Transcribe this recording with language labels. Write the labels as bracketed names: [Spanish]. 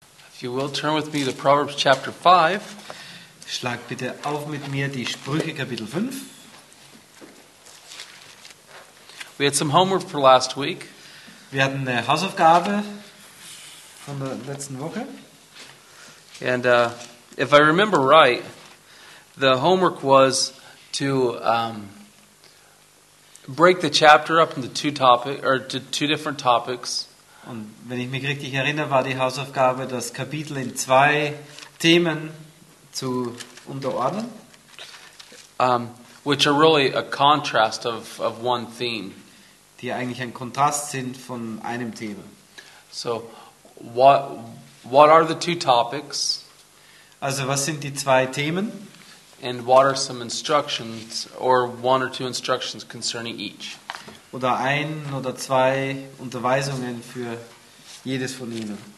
[English] If you will, turn with me to Proverbs chapter 5. [German] Schlag bitte auf mit mir die Sprüche Kapitel 5. [English] We had some homework for last week. [German] Wir hatten eine Hausaufgabe von der letzten Woche. [English] And if I remember right, the homework was to break the chapter up into two different topics. [German] Und wenn ich mich richtig erinnere, war die Hausaufgabe, das Kapitel in zwei Themen zu unterordnen. [English] Which are really a contrast of one theme. [German] Die eigentlich ein Kontrast sind von einem Thema. [English] So, what are the two topics? [German] Also, was sind die zwei Themen? [English] And what are some instructions, or one or two instructions concerning each? [German] Oder ein oder zwei Unterweisungen für jedes von ihnen.